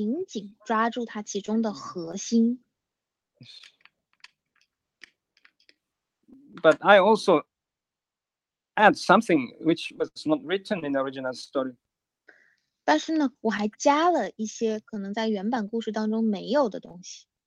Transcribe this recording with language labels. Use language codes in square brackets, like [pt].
[zh] 短故事就意味着你要紧紧抓住它其中的核心。 [en] But I also add something which was not written in the original story. [zh] 但是呢, 我还加了一些可能在原版故事当中没有的东西。